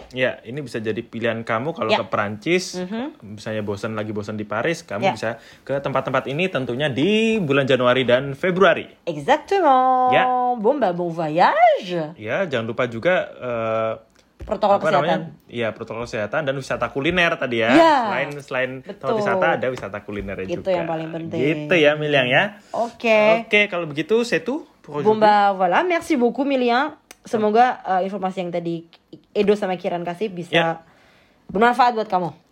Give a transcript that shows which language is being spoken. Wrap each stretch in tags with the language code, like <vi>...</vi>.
<id>Iya, ini bisa jadi pilihan kamu kalau ke Perancis, misalnya bosan lagi bosan di Paris, kamu bisa ke tempat-tempat ini tentunya di bulan Januari dan Februari.</id> <fr>Exactement.</fr> <id>Ya.</id> <fr>Bon, bah, bon voyage.</fr> <id>Ya, jangan lupa juga protokol kesehatan. Iya, protokol kesehatan dan wisata kuliner tadi ya. Selain tempat wisata, ada wisata kuliner juga. Itu yang paling penting. Gitu ya, Miliang ya. Oke. Oke, kalau begitu</id> <fr>c'est tout pour aujourd'hui. Bon, bah, voilà. Merci beaucoup, Miliang.</fr> <id>Semoga informasi yang tadi Edo sama Kiran kasih bisa bermanfaat buat kamu.</id>